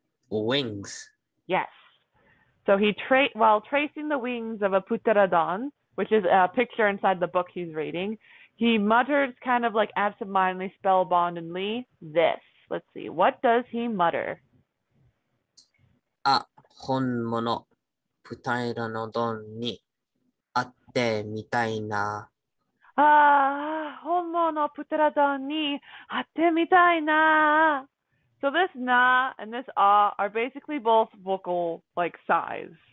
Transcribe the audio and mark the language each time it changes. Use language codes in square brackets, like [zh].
[en] Wings. Yes. So he tra while tracing the wings of a Puteradan, which is a picture inside the book he's reading, he mutters kind of like absentmindedly, spellboundedly, this. Let's see. What does he mutter? [ja] あ、本物、舞台裏のドンに会ってみたいな。 Ah, 本物プテラドンに会ってみたいな。 [en] So this na and this ah are basically both vocal like sighs.